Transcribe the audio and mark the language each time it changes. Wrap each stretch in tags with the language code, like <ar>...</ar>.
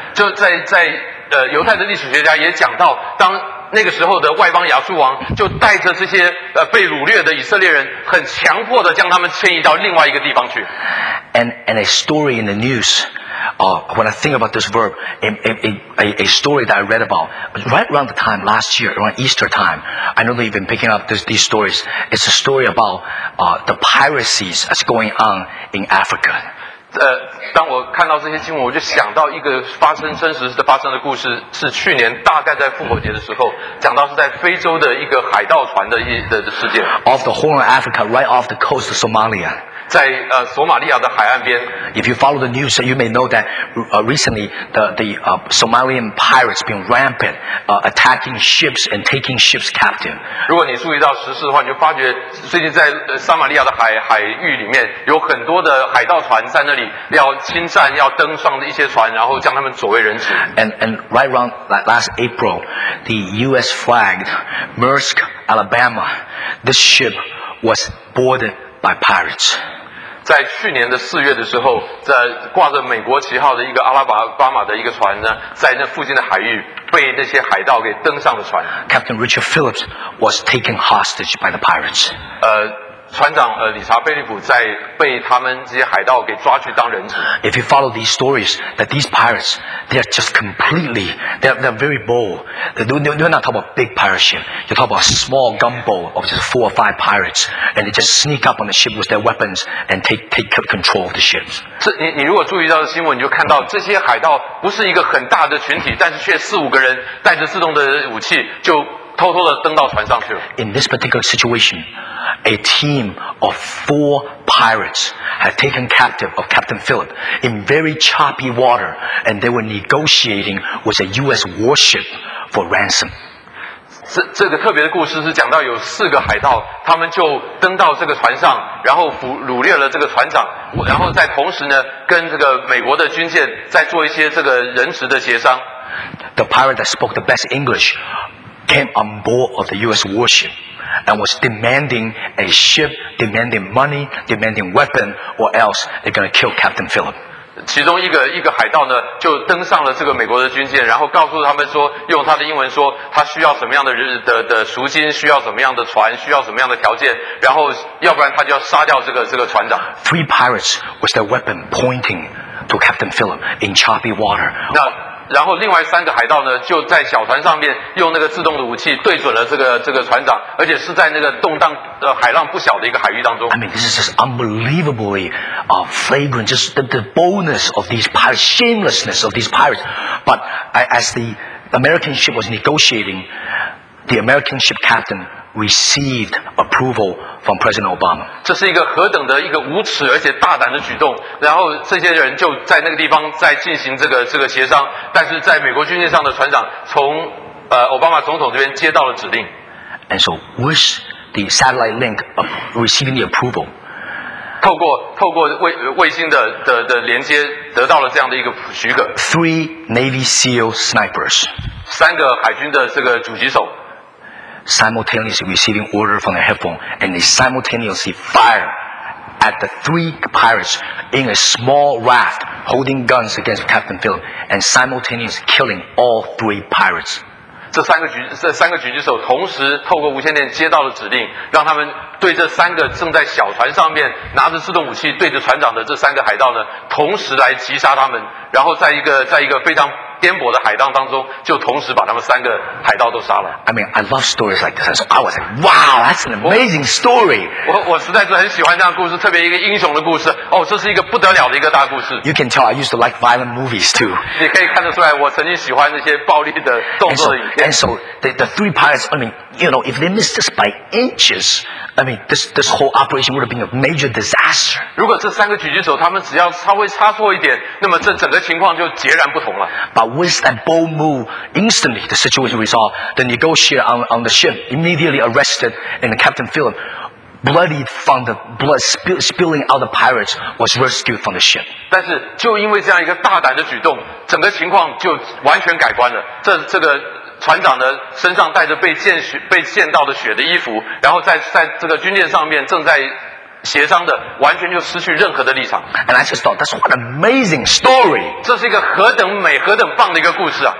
<zh>就在犹太的历史学家也讲到，当那个时候的外邦亚述王就带着这些被掳掠的以色列人，很强迫的将他们迁移到另外一个地方去。</zh> <en>And a story in the news, when I think about this verb, a story that I read about right around the time last year, around Easter time, I know they've been picking up these stories. It's a story about the piracies that's going on in Africa.</en> <zh>当我看到这些新闻，我就想到一个发生真实的发生的故事，是去年大概在复活节的时候讲到，是在非洲的一个海盗船的事件。</zh> <en>Off the Horn of Africa, right off the coast of Somalia.</en> <zh>在索马利亚的海岸边。</zh> <en>If you follow the news, you may know that recently the Somalian pirates been rampant, attacking ships and taking ships captive.</en> <zh>如果你注意到时事的话，你就发觉最近在撒马利亚的海域里面有很多的海盗船在那里要侵占、要登上的一些船，然后将他们所为人质。</zh> <en>And right around last April, the U.S. flagged Maersk, Alabama, this ship was boarded by pirates.</en> <zh>在去年的四月的时候，在挂着美国旗号的一个阿拉巴马的一个船呢，在那附近的海域被那些海盗给登上了船。</zh> <en>Captain Richard Phillips was taken hostage by the pirates.</en> <zh>船长理查菲利普在被他们这些海盗给抓去当人质。</zh> <en>If you follow these stories, that these pirates, they are just completely, they're very bold. They're not talking about big pirate ship. They're talking about a small gunboat of just four or five pirates, and they just sneak up on the ship with their weapons and take control of the ships.</en> <zh>你如果注意到的新闻，你就看到这些海盗不是一个很大的群体，但是却四五个人带着自动的武器就偷偷的登到船上去了。</zh> <en>In this particular situation. A team of four pirates had taken captive of Captain Phillip in very choppy water, and they were negotiating with a U.S. warship for ransom.</en> <zh>这个特别的故事是讲到有四个海盗，他们就登到这个船上，然后掳掠了这个船长，然后在同时呢，跟这个美国的军舰在做一些这个人质的协商。</zh> <en>The pirate that spoke the best English came on board of the U.S. warship. And was demanding a ship, demanding money, demanding weapon, or else they're going to kill Captain Phillip.</en> <zh>其中一个海盗呢，就登上了这个美国的军舰，然后告诉他们说，用他的英文说，他需要什么样的赎金，需要什么样的船，需要什么样的条件，然后要不然他就要杀掉这个船长。</zh> <en>Three pirates with their weapon pointing to Captain Phillip in choppy water. 那</en> <zh>然后另外三个海盗呢就在小船上面用那个自动的武器对准了这个船长，而且是在那个动荡的海浪不小的一个海域当中。</zh> <en>I mean this is just unbelievably flagrant, just the boldness of these pirates, shamelessness of these pirates. But as the American ship was negotiating, the American ship captain received approval from President Obama.</en> <zh>这是一个何等的一个无耻而且大胆的举动，然后这些人就在那个地方在进行这个协商，但是在美国军舰上的船长从奥巴马总统这边接到了指令。</zh> <en>And so with the satellite link of receiving the approval,</en> <zh>透过卫星的连接得到了这样的一个许可，</zh> <en>three Navy SEAL snipers,</en> <zh>三个海军的这个狙击手</zh> <en>simultaneously receiving order from the headphone, and they simultaneously fire at the three pirates in a small raft holding guns against Captain Phillips, and simultaneously killing all three pirates.</en> <zh>这三个狙击手同时透过无线电接到了指令，让他们对这三个正在小船上面拿着自动武器对着船长的这三个海盗呢，同时来击杀他们，然后在一个非常颠簸的海盗当中就同时把他们三个海盗都杀了。</zh> <en>I mean, I love stories like this. So I was like, wow, that's an amazing story.</en> <zh>我实在是很喜欢这样的故事，特别一个英雄的故事。哦，这是一个不得了的一个大故事。</zh> <en>You can tell I used to like violent movies too.</en> <zh>你可以看得出来我曾经喜欢那些暴力的动作的影片。</zh> <en>And so the three pirates, I mean, you know, if they missed this by inches, I mean, this whole operation would have been a major disaster.</en> <zh>如果这三个狙击手他们只要稍微差错一点，那么这整个情况就截然不同了。</zh> <en>But with that bold move, instantly the situation resolved. The negotiator on the ship immediately arrested, and Captain Phillip, bloodied from the blood spilling out of the pirates, was rescued from the ship.</en> <zh>但是就因为这样一个大胆的举动，整个情况就完全改观了。这个船长呢，身上带着被溅到的血的衣服，然后在这个军舰上面正在协商的，完全就失去任何的立场。</zh> <en>And I just thought, that's what an amazing story.</en> <zh>这是一个何等美、何等棒的一个故事啊！</zh>